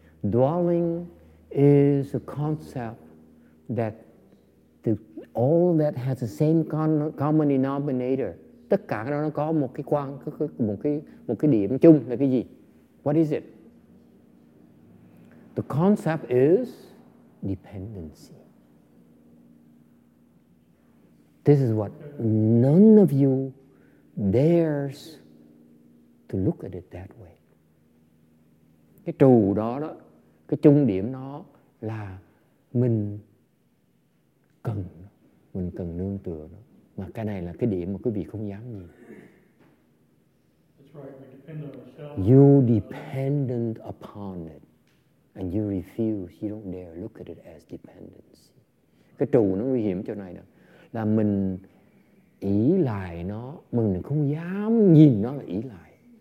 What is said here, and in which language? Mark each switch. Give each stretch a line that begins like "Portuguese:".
English: Dwelling is a concept that all that has the same common denominator. Tất cả đó nó có một cái quan, một cái điểm chung là cái gì? What is it? The concept is dependency. This is what none of you dares to look at it that way.
Vietnamese: Cái trù đó đó, cái chung điểm nó là mình cần nương tựa nó. Mà cái này là cái điểm mà quý vị không dám nhìn.
English: That's right, we depend on ourselves. You dependent upon it. And you refuse, you don't dare look at it as dependency.
Vietnamese: Cái trù nó nguy hiểm chỗ này nè. Là mình ý lại nó, mình không dám nhìn nó là ý lại.